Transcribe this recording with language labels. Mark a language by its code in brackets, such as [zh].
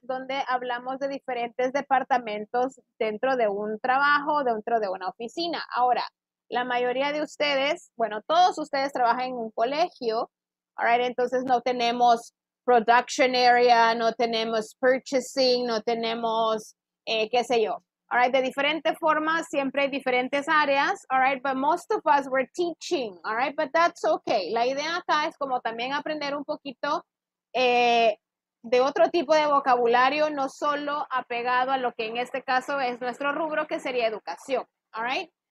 [es] Donde hablamos de diferentes departamentos dentro de un trabajo, dentro de una oficina. Ahora, la mayoría de ustedes, bueno, todos ustedes trabajan en un colegio, all right, entonces no tenemos production area, no tenemos purchasing, no tenemos qué sé yo. [en] All right, [es] de diferentes formas, siempre hay diferentes áreas, [en] all right, but most of us were teaching, all right, but that's okay. [es] La idea acá es como también aprender un poquito de otro tipo de vocabulario, no solo apegado a lo que en este caso es nuestro rubro, que sería educación, all right.